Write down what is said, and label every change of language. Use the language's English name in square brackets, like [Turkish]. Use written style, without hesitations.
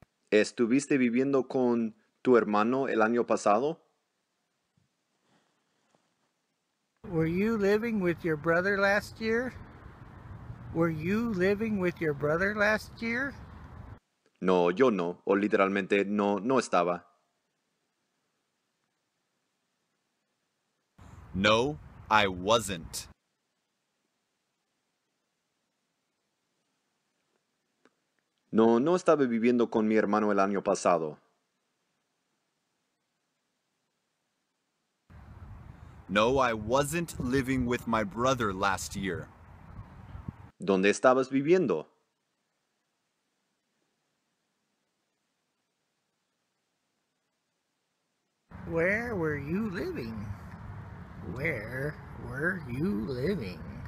[Spanish] ¿Estuviste viviendo con tu hermano el año pasado? [English] Were you living with your brother last year? Were you living with your brother last year? [Spanish] No, yo no, o literalmente, no, no estaba. [English] No, I wasn't. [Spanish] No, no estaba viviendo con mi hermano el año pasado. [English] No, I wasn't living with my brother last year. [Spanish] ¿Dónde estabas viviendo? [English] Where were you living? Where were you living?